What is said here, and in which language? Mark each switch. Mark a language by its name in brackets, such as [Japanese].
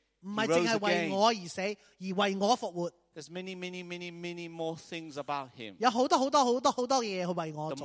[Chinese] 不只是为我而死，而为我复活。 [English] There's many, many, many, many more things about him. [Chinese] 有很多很多很多很多东西去为我做。